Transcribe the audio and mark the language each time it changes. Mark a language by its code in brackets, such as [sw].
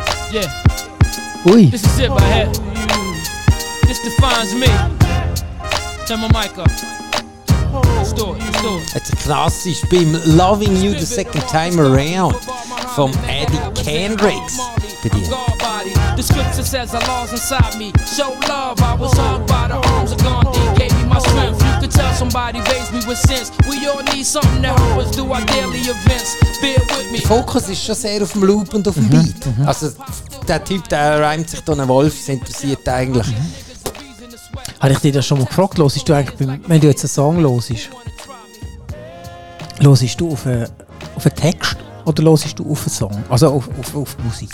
[en] Yeah. Ui. This is it, my head. This defines me. Turn my mic up. [de] Jetzt klassisch beim Loving You the Second Time Around vom Eddie Kendricks bedient. [en] The scripture says the laws inside me show love. I was hugged by the arms of Gandhi, gave me my strength. You could tell somebody raised me with sense. We all need something to help us do our daily events. Bear with me. [de] Fokus ist schon sehr auf dem Loop und auf dem Beat. Also der Typ, der reimt sich da einen Wolf, ist interessiert eigentlich. Habe ich dich das schon mal gefragt, hörst du eigentlich, wenn du jetzt einen Song hörst du auf einen Text oder hörst du auf einen Song, also auf Musik?